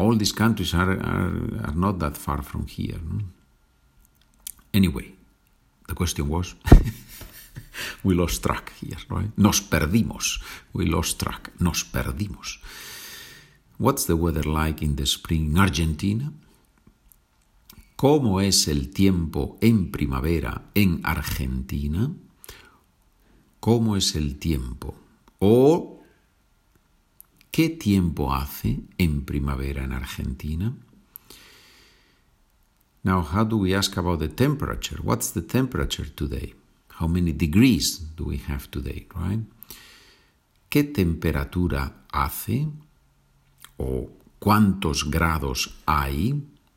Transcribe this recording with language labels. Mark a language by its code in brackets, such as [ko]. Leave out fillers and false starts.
[en] All these countries are not that far from here. Anyway, the question was, we lost track here, right? [es] Nos perdimos. [en] We lost track. [es] Nos perdimos. [en] What's the weather like in the spring in Argentina? [es] ¿Cómo es el tiempo en primavera en Argentina? ¿Cómo es el tiempo? O, ¿qué tiempo hace en primavera en Argentina? [en] Now, how do we ask about the temperature? What's the temperature today? How many degrees do we have today, right? [es] ¿Qué temperatura hace? O, ¿cuántos grados hay?